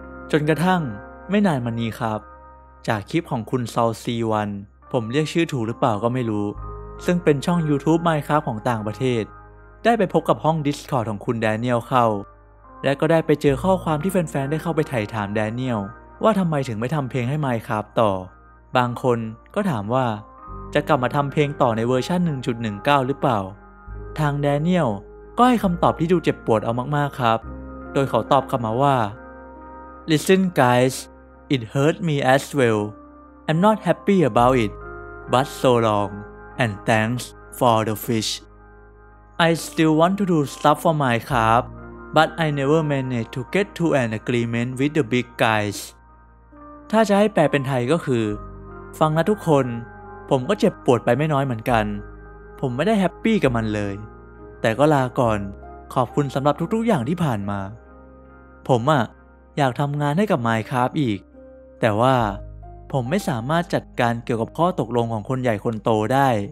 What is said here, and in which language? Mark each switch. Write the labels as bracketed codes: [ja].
[th] จนกระทั่งไม่นานมานี้ครับจากคลิปของคุณซอลซีวันผมเรียกชื่อถูกหรือเปล่าก็ไม่รู้ซึ่งเป็นช่อง YouTube Minecraft ของต่างประเทศได้ไปพบกับห้อง Discord ของคุณแดเนียลเข้าและก็ได้ไปเจอข้อความที่แฟนๆได้เข้าไปไถ่ถามแดเนียลว่าทำไมถึงไม่ทำเพลงให้ Minecraft ต่อบางคนก็ถามว่าจะกลับมาทำเพลงต่อในเวอร์ชั่น 1.19 หรือเปล่าทางแดเนียล ก็ให้คำตอบที่ดูเจ็บปวดเอามากๆครับโดยเขาตอบกลับมาว่า [en] Listen guys, it hurt me as well. I'm not happy about it, but so long, and thanks for the fish. I still want to do stuff for my crab, but I never managed to get to an agreement with the big guys. [th] ถ้าจะให้แปลเป็นไทยก็คือฟังนะทุกคนผมก็เจ็บปวดไปไม่น้อยเหมือนกันผมไม่ได้แฮปปี้กับมันเลยแต่ก็ลาก่อนขอบคุณสำหรับทุกๆอย่างที่ผ่านมาผมอยากทำงานให้กับ Minecraft อีกแต่ว่าผมไม่สามารถจัดการเกี่ยวกับข้อตกลงของคนใหญ่คนโตได้